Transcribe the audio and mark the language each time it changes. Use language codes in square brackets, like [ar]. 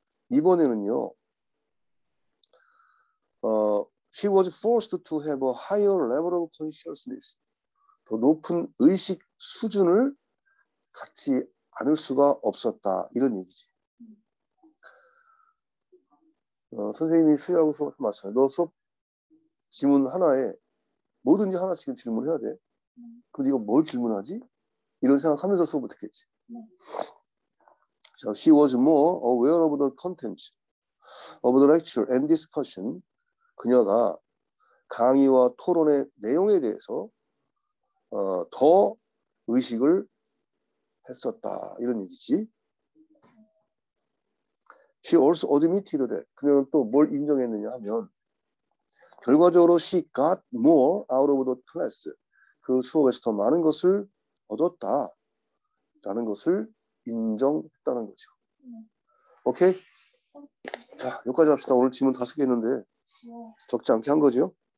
[ko] 이번에는요. [en] She was forced to have a higher level of consciousness. [ko] 더 높은 의식 수준을 갖지 않을 수가 없었다. 이런 얘기지. 선생님이 수혜하고 수업을 마쳐요. 너 수업 지문 하나에 뭐든지 하나씩 질문해야 돼. 그럼 네가 뭘 질문하지? 이런 생각하면서 수업을 듣겠지. [en] So she was more aware of the content of the lecture and discussion. [ko] 그녀가 강의와 토론의 내용에 대해서 더 의식을 했었다. 이런 얘기지. [en] She also admitted that. [ko] 그녀는 또 뭘 인정했느냐 하면 결과적으로 [en] she got more out of the class. [ko] 그 수업에서 더 많은 것을 얻었다. 라는 것을 인정했다는 거죠. 오케이? 자, 여기까지 합시다. 오늘 질문 다섯 개 했는데 적지 않게 한 거죠?